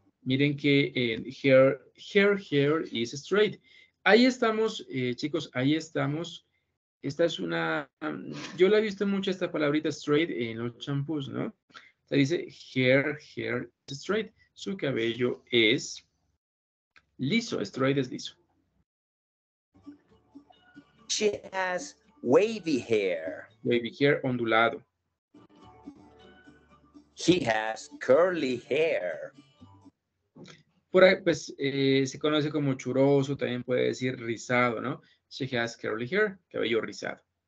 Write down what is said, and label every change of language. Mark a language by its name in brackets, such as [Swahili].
[Spanish] Miren que [English] her hair is straight. [Spanish] Ahí estamos, chicos, ahí estamos. Esta es una... yo la he visto mucho esta palabrita straight en los champús, ¿no? Se dice [English] her hair is straight. [Spanish] Su cabello es liso. Straight es liso. [English] She has wavy hair. Wavy hair, [Spanish] ondulado. [English] He has curly hair. [Spanish] Por ahí, pues, se conoce como churoso, también puede decir rizado, ¿no? [English] She has curly hair, [Spanish] cabello rizado.